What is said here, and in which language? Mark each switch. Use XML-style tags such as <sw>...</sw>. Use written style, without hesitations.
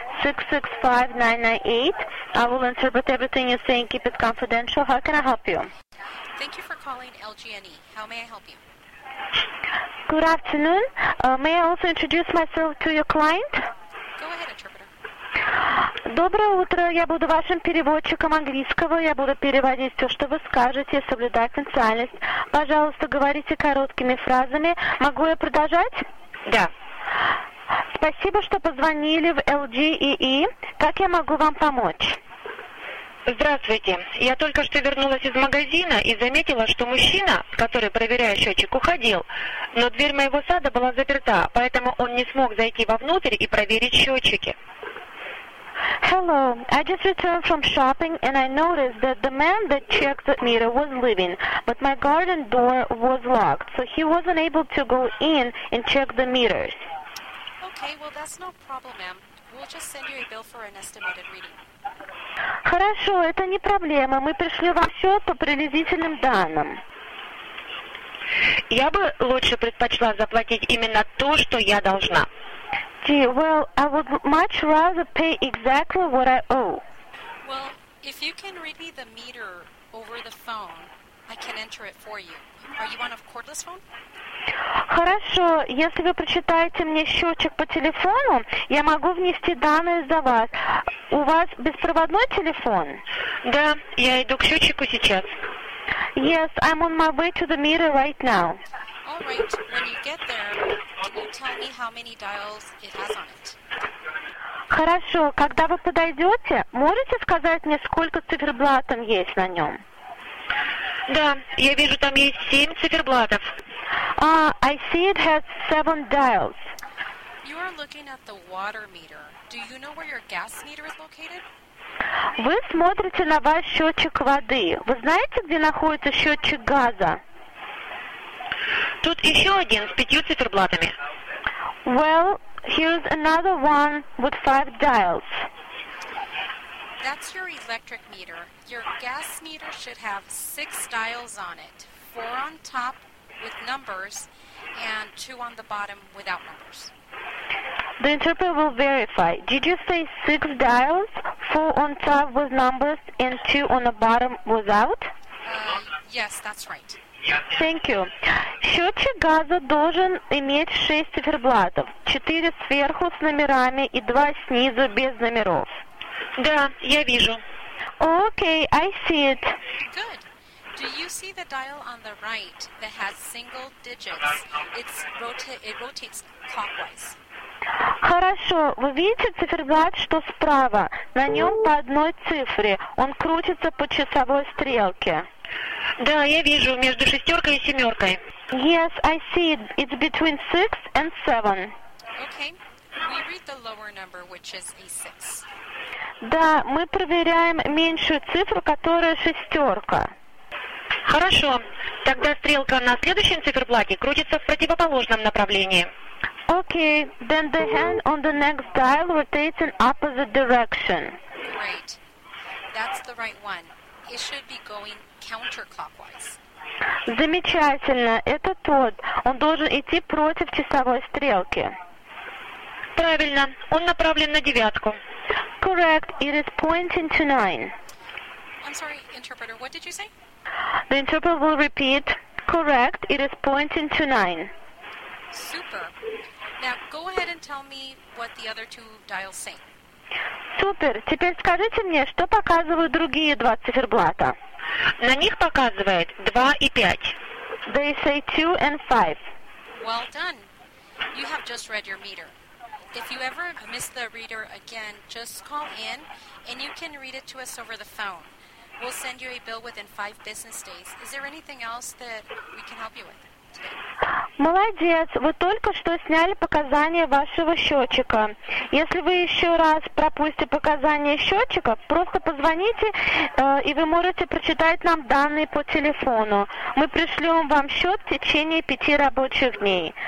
<en>665-998. I will interpret everything you're saying. Keep it confidential. How can I help you? Thank you for calling LGNE. How may I help you? Good afternoon. May I also introduce myself to your client? Go ahead, interpreter.</en> <ru>Доброе утро. Я буду вашим переводчиком английского. Я буду переводить все, что вы скажете, соблюдая конфиденциальность. Пожалуйста, говорите короткими фразами. Могу я продолжать? Да. Спасибо, что позвонили в LGEE. Как я могу вам помочь? Здравствуйте. Я только что вернулась из магазина и заметила, что мужчина, который проверяет счетчик, уходил. Но дверь моего сада была заперта, поэтому он не смог зайти вовнутрь и проверить счетчики.</ru> <en>Hello. I just returned from shopping and I noticed that the man that checked the meter was leaving, but my garden door was locked, so he wasn't able to go in and check the meters. Okay, well, that's no problem, ma'am. We'll just send you a bill for an estimated reading.</en> <ru>Хорошо, это не проблема. Мы пришли вам счет по приблизительным данным. Я бы лучше предпочла заплатить именно то, что я должна.</ru> <en>Gee, well, I would much rather pay exactly what I owe. Well, if you can read me the meter over the phone, I can enter it for you. Are you on a cordless phone?</en> <ru>Хорошо, если вы прочитаете мне счетчик по телефону, я могу внести данные за вас. У вас беспроводной телефон? Да, я иду к счетчику сейчас.</ru> <en>Yes, I'm on my way to the meter right now. All right, when you get there, can you tell me how many dials it has on it?</en> <ru>Хорошо, когда вы подойдете, можете сказать мне, сколько циферблатов есть на нем? Да, я вижу, там есть 7 циферблатов.</ru> <en>I see it has 7 dials. You are looking at the water meter. Do you know where your gas meter is located?</en> <ru>Вы смотрите на ваш счетчик воды. Вы знаете, где находится счетчик газа? Тут еще один с 5 циферблатами.</ru> <en>Well, here's another one with 5 dials. That's your electric meter. Your gas meter should have 6 dials on it. 4 on top with numbers and 2 on the bottom without numbers. The interpreter will verify. Did you say 6 dials, 4 on top with numbers and 2 on the bottom without? Yes, that's right. Thank you.</en> <ru>Счетчик газа должен иметь 6 циферблатов. 4 сверху с номерами и 2 снизу без номеров. Да, я вижу.</ru> <en>Okay, I see it. Good. Do you see the dial on the right that has single digits? It rotates clockwise.</en> <ru>Хорошо. Вы видите циферблат, что справа? На нем по одной цифре. Он крутится по часовой стрелке. Да, я вижу. Между шестеркой и семеркой.</ru> <en>Yes, I see it. It's between 6 and 7. Okay. We read the lower number, which is a 6.</en> <ru>Да, мы проверяем меньшую цифру, которая шестерка. Хорошо. Тогда стрелка на следующем циферблате крутится в противоположном направлении.</ru> <en>Okay, then the hand on the next dial rotates in opposite direction. Great. That's the right one. It should be going counterclockwise.</en> <ru>Замечательно. Это тот. Он должен идти против часовой стрелки. Правильно. Он направлен на девятку.</ru> <en>Correct. It is pointing to 9. I'm sorry, interpreter. What did you say? The interpreter will repeat. Correct. It is pointing to 9. Super. Now, go ahead and tell me what the other two dials say.</en> <ru>Супер. Теперь скажите мне, что показывают другие два циферблата? На них показывает 2 и 5.</ru> <en>They say 2 and 5. Well done. You have just read your meter. If you ever miss the reader again, just call in, and you can read it to us over the phone. We'll send you a bill within 5 business days. Is there anything else that we can help you with?</en> <ru>Молодец, вы только что сняли показания вашего счетчика. Если вы еще раз пропустите показания счетчика, просто позвоните, и вы можете прочитать нам данные по телефону. Мы пришлем вам счет в течение 5 рабочих дней.</ru>